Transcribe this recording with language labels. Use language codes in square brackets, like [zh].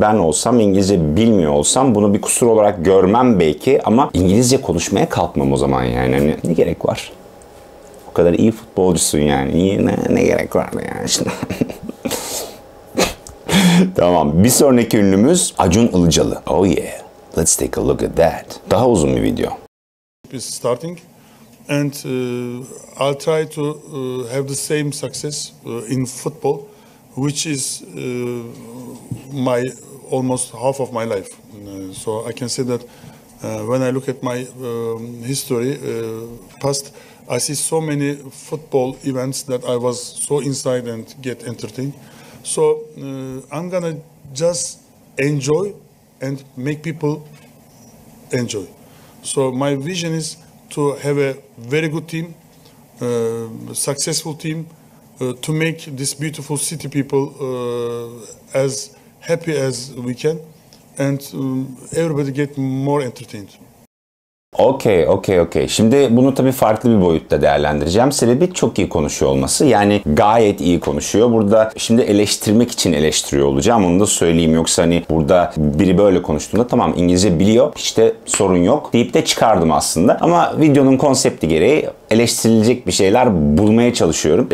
[tr] Ben olsam İngilizce bilmiyor olsam bunu bir kusur olarak görmem belki ama İngilizce konuşmaya kalkmam o zaman yani. Hani ne gerek var? O kadar iyi futbolcusun yani. Ne gerek var mı yani şimdi? Tamam. Bir sonraki ünlümüz Acun Ilıcalı. [en] Oh yeah. Let's take a look at that. [tr] Daha uzun bir video. [en] It's starting and I'll try to have the same success in football which is my almost half of my life. So I can say that when I look at my history, past, I see so many football events that I was so inside and get entertained. So I'm gonna just enjoy and make people enjoy. So my vision is to have a very good team, successful team, to make this beautiful city people as happy as we can. And everybody get more entertained. Okay. [tr] Şimdi bunu tabii farklı bir boyutta değerlendireceğim. Sebebi çok iyi konuşuyor olması. Yani gayet iyi konuşuyor. Burada şimdi eleştirmek için eleştiriyor olacağım. Onu da söyleyeyim. Yoksa hani burada biri böyle konuştuğunda tamam İngilizce biliyor. İşte sorun yok deyip de çıkardım aslında. Ama videonun konsepti gereği eleştirilecek bir şeyler bulmaya çalışıyorum.